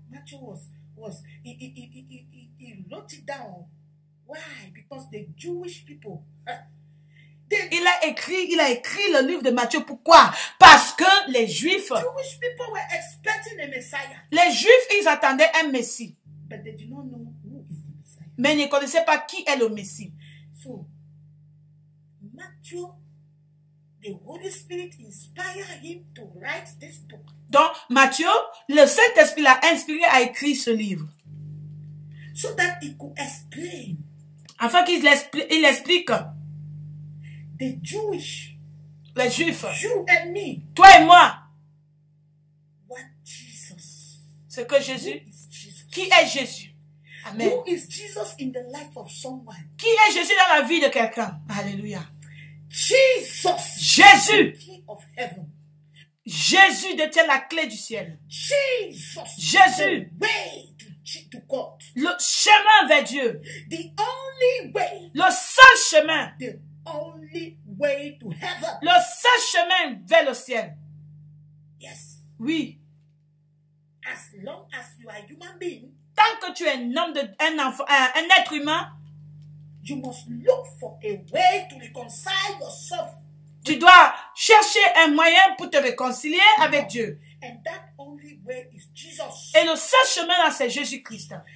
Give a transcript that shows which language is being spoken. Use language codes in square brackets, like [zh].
[en] Matthieu was he wrote it down. Why? Because the Jewish people. [fr] Il a écrit le livre de Matthieu. Pourquoi? Parce que les Juifs. [en] The Jewish people were expecting a Messiah. [fr] Les Juifs, ils attendaient un Messie. [en] But they did not know who is the Messiah. [fr] Mais ils ne connaissaient pas qui est le Messie. [en] So, Matthieu. The Holy Spirit inspired him to write this book. [fr] Donc, Matthieu, le Saint-Esprit l'a inspiré à écrire ce livre. [en] So that he could explain. [fr] Afin qu'il explique. [en] The Jewish. [fr] Les Juifs. [en] You and me. [fr] Toi et moi. [en] What Jesus. [fr] Ce que Jésus. [en] Who is Jesus? [fr] Qui est Jésus? [en] Amen. Who is Jesus in the life of someone? [fr] Qui est Jésus dans la vie de quelqu'un? Alléluia. [en] Jesus, [fr] Jésus, [en] the key of heaven. [fr] Jésus détient la clé du ciel. [en] Jesus, the way to God. [fr] Le chemin vers Dieu. [en] The only way. [fr] Le seul chemin. [en] The only way to heaven. [fr] Le seul chemin vers le ciel. [en] Yes. [fr] Oui. [en] As long as you are human being. [fr] Tant que tu es un homme de un être humain. [en] You must look for a way to reconcile yourself. [fr] Tu dois chercher un moyen pour te réconcilier avec Dieu. [en] And that only way is Jesus. [fr] Et le seul chemin là, c'est Jésus-Christ.